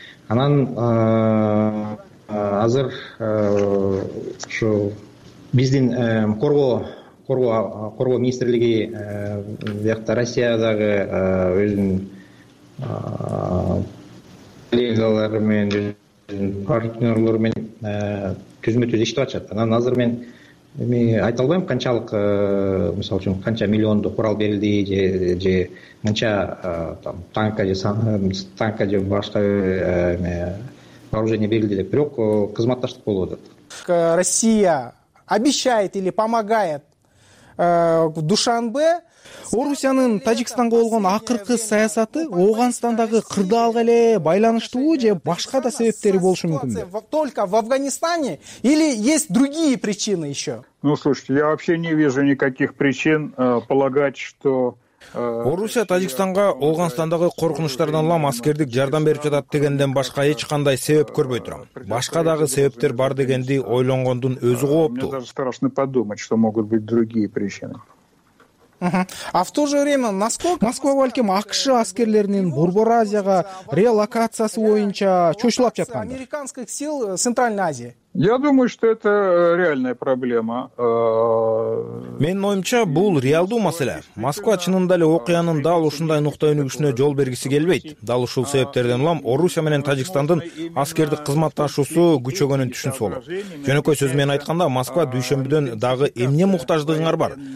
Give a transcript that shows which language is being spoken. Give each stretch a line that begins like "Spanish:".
Kyrgyz: Анан азыр ошо биздин коргоо министрлиги биякта Россиядагы өзүнүн коллегалары менен өзүнүн партнерлору менен түзмө түз иштеп атышат. Анан азыр мен эми айта албайм канчалык мисалы үчүн канча миллиондо курал берилди же канча там танка же башка вооружение берилди деп, бирок кызматташтык болуп атат.
Russian: Россия обещает или помогает в Душанбе?
Kyrgyz: Орусиянын Тажикстанга болгон акыркы саясаты Ооганстандагы кырдаалга эле байланыштуу же башка да себептери болушу мүмкүнбү?
Russian: Только в Афганистане или есть другие причины еще? Ну, слушайте, я вообще не вижу никаких причин полагать, что
Kyrgyz: Орусия Тажикстанга Ооганстандагы коркунучтардан улам аскердик жардам берип жатат дегенден башка эч кандай себеп көрбөй турам. Башка дагы себептер бар дегенди ойлонгондун өзү кооптуу.
Russian: Мне даже страшно подумать, что могут быть другие причины. А в то же время, насколько
Kyrgyz: Москва балким АКШ аскерлеринин Борбор Азияга релокациясы боюнча чочулап жаткан
Russian: американских сил Центральной Азии? Я думаю, что это реальная проблема.
Kyrgyz: Менин оюмча бул реалдуу маселе. Москва чынында эле окуянын дал ушундай нукта өнүгүшүнө жол бергиси келбейт. Дал ушул себептерден улам Орусия менен Тажикстандын аскердик кызматташуусу күчөгөнүн түшүнсө болот. Жөнөкөй сөз менен айтканда, Москва дүйшөмбүдөн дагы эмне муктаждыгыңар бар?